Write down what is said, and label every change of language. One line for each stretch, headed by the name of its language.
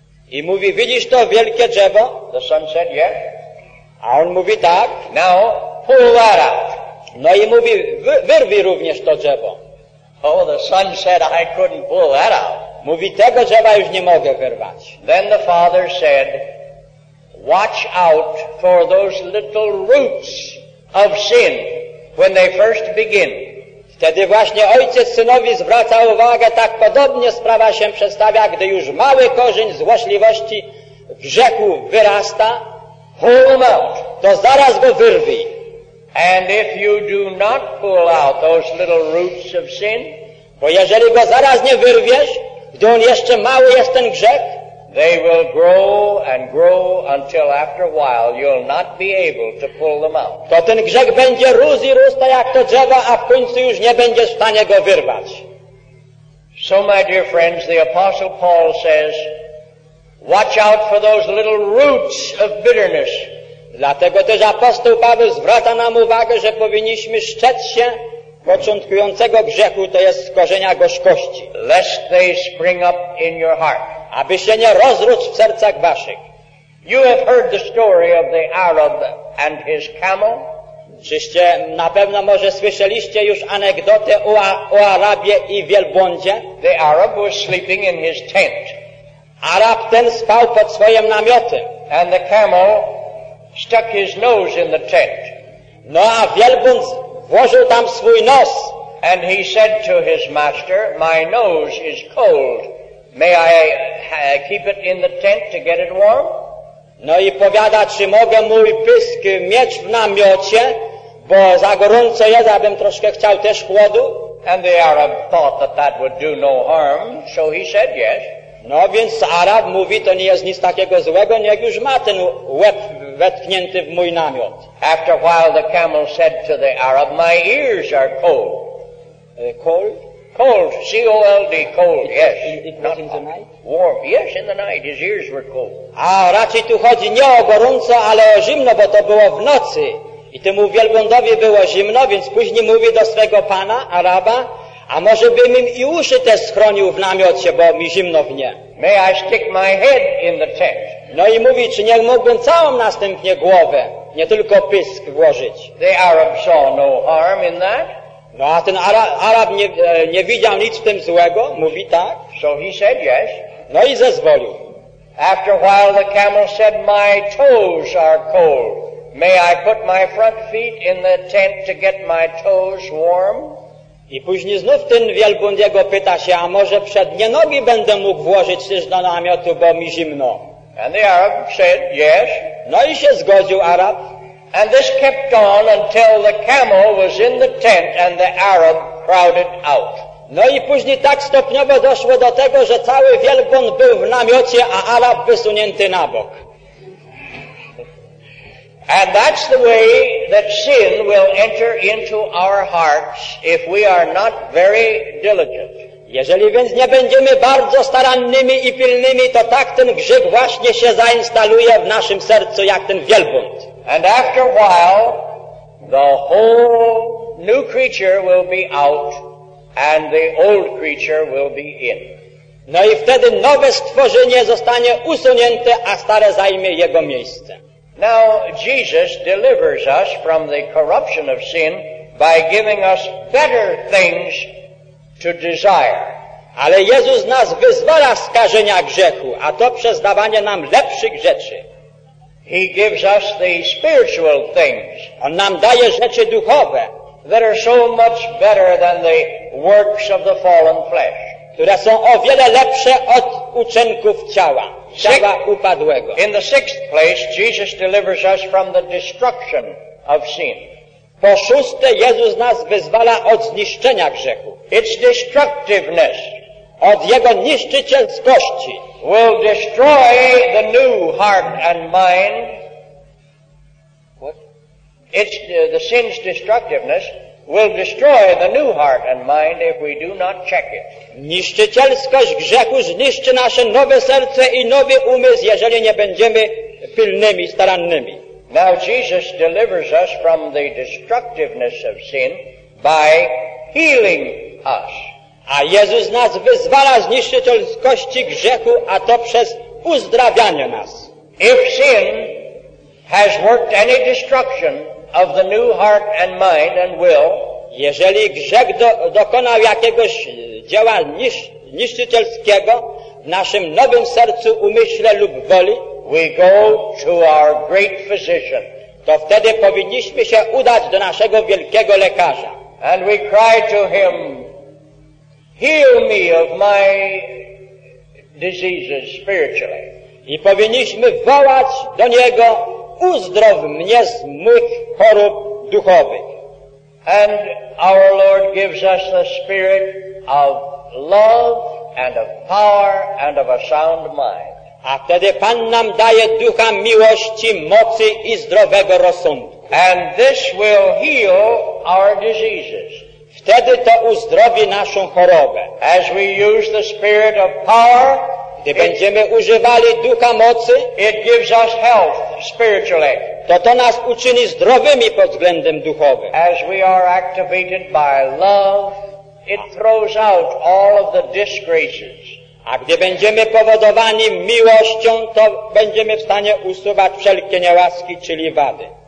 Polish: I mówi, widzisz to wielkie drzewo?
English: The son said, yes.
Polish: A on mówi, tak.
English: Now, pull that out.
Polish: No i mówi, wyrwij również to drzewo.
English: Oh, the son said, I couldn't pull that out.
Polish: Mówi, tego drzewa już nie mogę wyrwać.
English: Then the father said, watch out for those little roots of sin when they first begin.
Polish: Wtedy właśnie ojciec synowi zwraca uwagę, tak podobnie sprawa się przedstawia, gdy już mały korzeń złośliwości w rzeku wyrasta,
English: pull them out.
Polish: To zaraz go wyrwij.
English: And if you do not pull out those little roots of sin,
Polish: bo jeżeli go zaraz nie wyrwiesz, gdy on jeszcze mały jest ten grzech,
English: they will grow and grow until after a while you'll not be able to pull them out.
Polish: To ten grzech będzie rósł i rósł, tak jak to drzewo, a w końcu już nie będziesz w stanie go wyrwać.
English: So my dear friends, the Apostle Paul says, watch out for those little roots of bitterness.
Polish: Dlatego też apostoł Paweł zwraca nam uwagę, że powinniśmy strzec się początkującego grzechu, to jest korzenia gorzkości.
English: Lest they spring up in your heart.
Polish: Aby się nie rozrósł w sercach waszych.
English: You have heard the story of the Arab and his camel?
Polish: Czyście na pewno może słyszeliście już anegdotę o Arabie i wielbłądzie?
English: The Arab was sleeping in his tent.
Polish: Arab ten spał pod swoim namiotem.
English: And the camel stuck his nose in the tent.
Polish: No a wielbłąd włożył tam swój nos.
English: And he said to his master, my nose is cold. May I keep it in the tent to get it warm?
Polish: No i powiada, czy mogę mój pysk mieć w namiocie, bo za gorąco jest, abym troszkę chciał też chłodu.
English: And the Arab thought that that would do no harm, so he said yes.
Polish: No więc Arab mówi, to nie jest nic takiego złego, niech już ma ten łeb wetknięty w mój namiot.
English: After a while the camel said to the Arab, my ears are cold. Cold? Cold, C-O-L-D, cold, it, yes. It was in the night? Warm, yes, in the night, his ears were cold.
Polish: A raczej tu chodzi nie o gorąco, ale o zimno, bo to było w nocy. I temu wielbłądowi było zimno, więc później mówi do swego pana, Araba, a może bym im i uszy te schronił w namiocie, bo mi zimno w nie.
English: May I stick my head in the tent?
Polish: No i mówi, czy nie mógłbym całą następnie głowę, nie tylko pysk włożyć.
English: The Arab saw no harm in that.
Polish: No a ten Arab nie widział nic w tym złego, mówi tak.
English: So he said yes.
Polish: No i zezwolił.
English: After a while the camel said, my toes are cold. May I put my front feet in the tent to get my toes warm?
Polish: I później znów ten wielbłąd jego pyta się, a może przednie nogi będę mógł włożyć też do namiotu, bo mi zimno.
English: And the Arab said, yes.
Polish: No i się zgodził Arab.
English: And this kept on until the camel was in the tent and the Arab crowded out.
Polish: No i później tak stopniowo doszło do tego, że cały wielbłąd był w namiocie, a Arab wysunięty na bok.
English: And that's the way that sin will enter into our hearts if we are not very diligent.
Polish: Jeżeli więc nie będziemy bardzo starannymi i pilnymi, to tak ten grzech właśnie się zainstaluje w naszym sercu, jak ten wielbłąd.
English: And after a while, the whole new creature will be out and the old creature will be in.
Polish: No i wtedy nowe stworzenie zostanie usunięte, a stare zajmie jego miejsce.
English: Now, Jesus delivers us from the corruption of sin by giving us better things to desire.
Polish: Ale Jezus nas wyzwala z skażenia grzechu, a to przez dawanie nam lepszych rzeczy.
English: He gives us the spiritual things.
Polish: On nam daje rzeczy duchowe.
English: That are so much better than the works of the fallen flesh.
Polish: Które są o wiele lepsze od uczynków ciała. Ciała upadłego.
English: In the sixth place, Jesus delivers us from the destruction of sin.
Polish: Po szóste, Jezus nas wyzwala od zniszczenia grzechu.
English: Its destructiveness.
Polish: od jego niszczycielskości.
English: Will destroy the new heart and mind. What? It's the sin's destructiveness will destroy the new heart and mind if we do not check it.
Polish: Niszczycielskość grzechu zniszczy nasze nowe serce i nowy umysł, jeżeli nie będziemy pilnymi, starannymi.
English: Now Jesus delivers us from the destructiveness of sin by healing us.
Polish: A Jezus nas wyzwala z niszczycielskości grzechu, a to przez uzdrawianie nas.
English: If sin has worked any destruction of the new heart and mind and will,
Polish: jeżeli grzech dokonał jakiegoś dzieła niszczycielskiego w naszym nowym sercu, umyśle lub woli,
English: we go to our great physician.
Polish: To wtedy powinniśmy się udać do naszego wielkiego lekarza.
English: And we cry to him, heal me of my diseases spiritually.
Polish: I powinniśmy wołać do niego, uzdrow mnie z moich chorób duchowych.
English: And our Lord gives us the spirit of love and of power and of a sound mind.
Polish: A wtedy Pan nam daje ducha miłości, mocy i zdrowego rozsądku.
English: And this will heal our diseases.
Polish: Wtedy to uzdrowi naszą chorobę.
English: As we use the spirit of power,
Polish: gdy będziemy używali ducha mocy,
English: it gives us health spiritually.
Polish: To nas uczyni zdrowymi pod względem duchowym.
English: As we are activated by love, it throws out all of the disgraces.
Polish: A gdy będziemy powodowani miłością, to będziemy w stanie usuwać wszelkie niełaski, czyli wady.